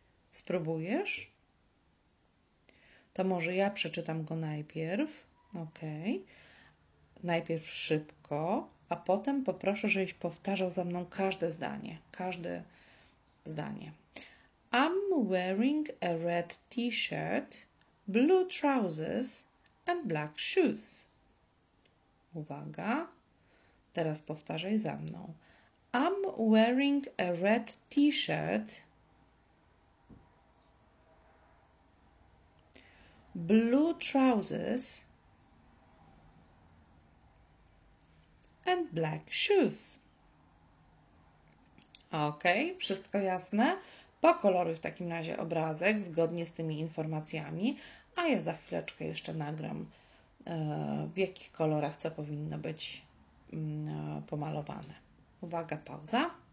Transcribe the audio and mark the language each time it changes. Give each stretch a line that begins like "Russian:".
Polish: Spróbujesz? To może ja przeczytam go najpierw. Ok. Najpierw szybko, a potem poproszę, żebyś powtarzał za mną każde zdanie. Każde zdanie.
English: I'm wearing a red t-shirt, blue trousers and black shoes.
Polish: Uwaga, teraz powtarzaj za mną.
English: I'm wearing a red t-shirt, blue trousers and black shoes.
Polish: Ok, wszystko jasne? Pokoloruj w takim razie obrazek zgodnie z tymi informacjami, a ja za chwileczkę jeszcze nagram, w jakich kolorach co powinno być pomalowane. Uwaga, pauza.